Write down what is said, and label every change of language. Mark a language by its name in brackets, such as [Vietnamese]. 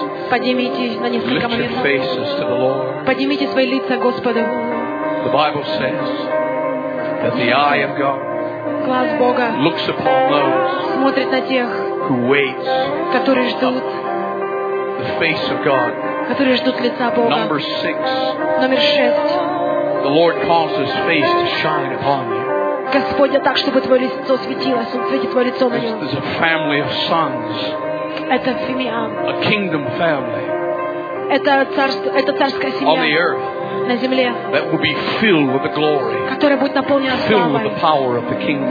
[Russian] Поднимите на несколько моментов. Поднимите свои лица Господу. [English] The Bible says that the eye of God [Russian] глаз Бога [English] looks upon those [Russian] смотрит на тех, [English] who waits, [Russian] которые ждут. [English] The face of God. [Russian] Которые ждут лица Бога. [English] Number six. [Russian] Номер шесть. [English] The Lord calls His face to shine upon you. [Russian] Господь, так, чтобы твое лицо светилось, Он светит твое лицо на нем. [English] This is a family of sons. [Russian] Это семья. [English] A kingdom family. [Russian] Это царская семья. [English] On the earth. [Russian] На земле. [English] That will be filled with the glory. [Russian] Которая будет наполнена славой. [English] Filled with the power of the kingdom.